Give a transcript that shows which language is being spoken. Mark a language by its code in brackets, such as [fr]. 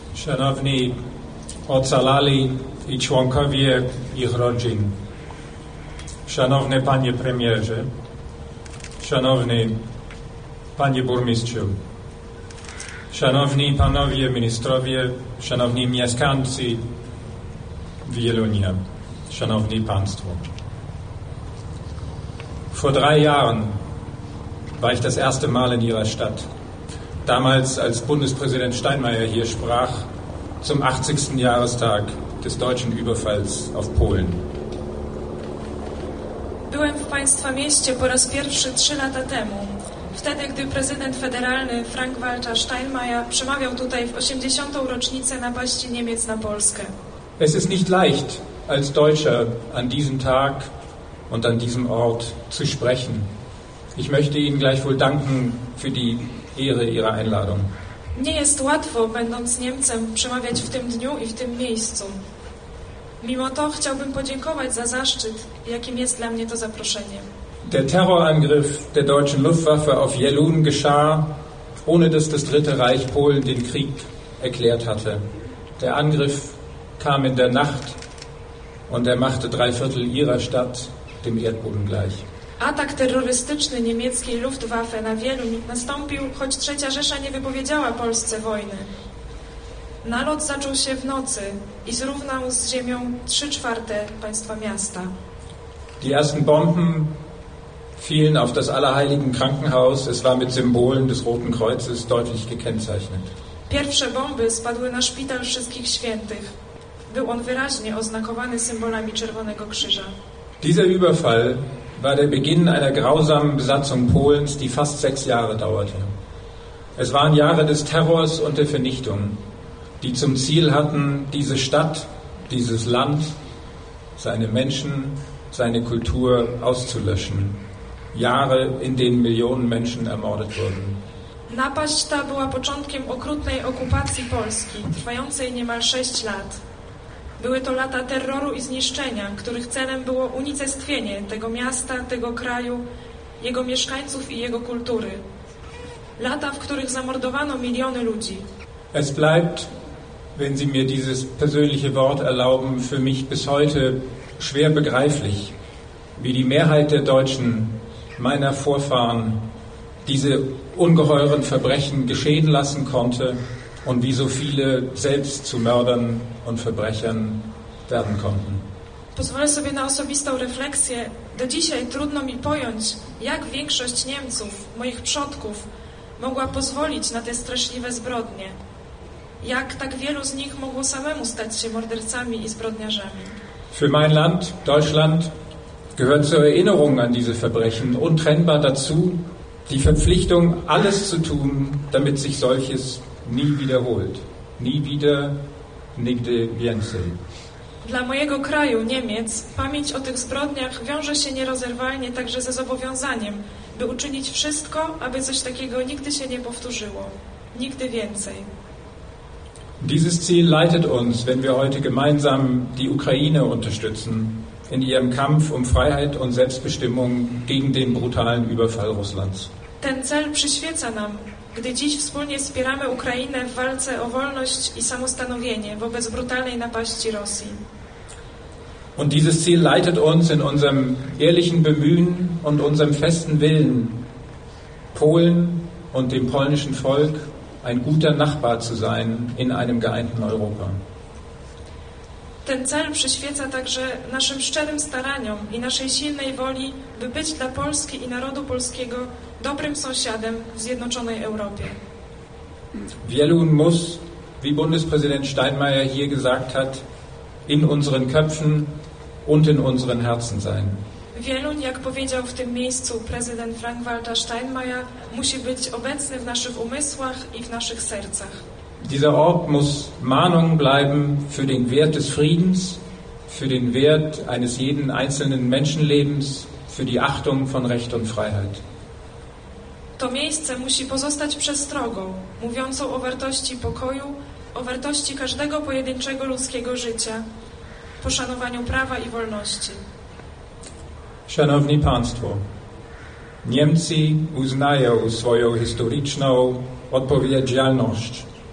[pl] Szanowni ocalali i członkowie ich rodzin, Szanowny Panie Premierze, Szanowny Panie Burmistrzu, Szanowni Panowie Ministrowie, Szanowni Mieszkańcy Wielunia, Szanowni Państwo. [de] Vor 3 Jahren war ich das erste Mal in Ihrer Stadt. Damals, als Bundespräsident Steinmeier hier sprach, zum 80. Jahrestag des deutschen Überfalls auf Polen. [pl] Byłem w Państwa mieście po raz pierwszy 3 lata temu, wtedy, gdy prezydent federalny Frank-Walter Steinmeier przemawiał tutaj w 80. rocznicę napaści Niemiec na Polskę. [de] Es ist nicht leicht, als Deutscher an diesem Tag und an diesem Ort zu sprechen. Ich möchte Ihnen gleichwohl danken für die Ehre Ihrer Einladung. [pl] Nie jest łatwo, będąc Niemcem, przemawiać w tym dniu i w tym miejscu. Mimo to chciałbym podziękować za zaszczyt, jakim jest dla mnie to zaproszenie. [de] Der Terrorangriff der deutschen Luftwaffe auf Jeluń geschah, ohne dass das Dritte Reich Polen den Krieg erklärt hatte. Der Angriff kam in der Nacht und er machte 3/4 ihrer Stadt dem Erdboden gleich. [pl] Atak terrorystyczny niemieckiej Luftwaffe na Wieluń nastąpił, choć Trzecia Rzesza nie wypowiedziała Polsce wojny. Nalot zaczął się w nocy i zrównał z ziemią 3/4 państwa miasta. [de] Die ersten Bomben fielen auf das Allerheiligen Krankenhaus. Es war mit Symbolen des Roten Kreuzes deutlich gekennzeichnet. [pl] Pierwsze bomby spadły na Szpital Wszystkich Świętych. Był on wyraźnie oznakowany symbolami Czerwonego Krzyża. [de] Dieser Überfall war der Beginn einer grausamen Besatzung Polens, die fast 6 Jahre dauerte. Es waren Jahre des Terrors und der Vernichtung, die zum Ziel hatten, diese Stadt, dieses Land, seine Menschen, seine Kultur auszulöschen. Jahre, in denen Millionen Menschen ermordet wurden. [pl] Napaść ta była początkiem okrutnej okupacji Polski, trwającej niemal 6 lat. Były to lata terroru i zniszczenia, których celem było unicestwienie tego miasta, tego kraju, jego mieszkańców i jego kultury. Lata, w których zamordowano miliony ludzi. [de] Es bleibt, wenn Sie mir dieses persönliche Wort erlauben, für mich bis heute schwer begreiflich, wie die Mehrheit der Deutschen, meiner Vorfahren, diese ungeheuren Verbrechen geschehen lassen konnte. Und wie so viele selbst zu Mördern und Verbrechern werden konnten. [pl] Pozwolę sobie na osobistą refleksję. Do dzisiaj trudno mi pojąć, jak większość Niemców, moich przodków, mogła pozwolić na te straszliwe zbrodnie. Jak tak wielu z nich mogło samemu stać się mordercami i zbrodniarzami. [de] Für mein Land, Deutschland, gehört zur Erinnerung an diese Verbrechen untrennbar dazu, die Verpflichtung, alles zu tun, damit sich solches nie wiederholt. Nie wieder, [pl] nigdy więcej. Dla mojego kraju, Niemiec, pamięć o tych zbrodniach wiąże się nierozerwalnie także ze zobowiązaniem, by uczynić wszystko, aby coś takiego nigdy się nie powtórzyło. Nigdy więcej. [de] Dieses Ziel leitet uns, wenn wir heute gemeinsam die Ukraine unterstützen, in ihrem Kampf um Freiheit und Selbstbestimmung gegen den brutalen Überfall Russlands. [pl] Ten cel przyświeca nam, gdy dziś wspólnie wspieramy Ukrainę w walce o wolność i samostanowienie wobec brutalnej napaści Rosji. [de] Und dieses Ziel leitet uns in unserem ehrlichen Bemühen und unserem festen Willen, Polen und dem polnischen Volk ein guter Nachbar zu sein in einem geeinten Europa. [pl] Ten cel przyświeca także naszym szczerym staraniom i naszej silnej woli, by być dla Polski i narodu polskiego dobrym sąsiadem w zjednoczonej Europie. [de] Wieluń muss, wie Bundespräsident Steinmeier hier gesagt hat, in unseren Köpfen und in unseren Herzen sein. [pl] Wieluń, jak powiedział w tym miejscu prezydent Frank-Walter Steinmeier, musi być obecny w naszych umysłach i w naszych sercach. [de] Dieser Ort muss Mahnung bleiben für den Wert des Friedens, für den Wert eines jeden einzelnen Menschenlebens, für die Achtung von Recht und Freiheit. [pl] To miejsce musi pozostać przestrogą, mówiącą o wartości pokoju, o wartości każdego pojedynczego ludzkiego życia, poszanowaniu prawa i wolności. Szanowni Państwo, Niemcy uznają swoją historyczną odpowiedzialność